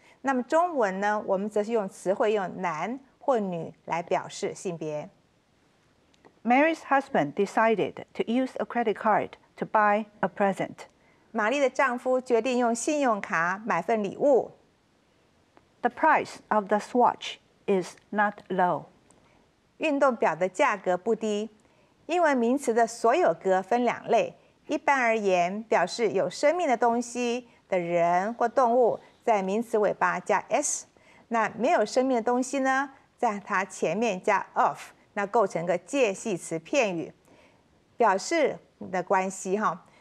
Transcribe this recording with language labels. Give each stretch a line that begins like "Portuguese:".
Chinese: 那么中文呢，我们则是用词汇用男或女来表示性别。
English: Mary's husband decided to use a credit card to buy a present.
Chinese: 玛丽的丈夫决定用信用卡买份礼物。
English: The price of the swatch is not low.
Chinese: 运动表的价格不低。英文名词的所有格分两类，一般而言表示有生命的东西的人或动物，在名词尾巴加 s， 那没有生命的东西呢，在它前面加 of。那构成个介系词片语，表示的关系哈。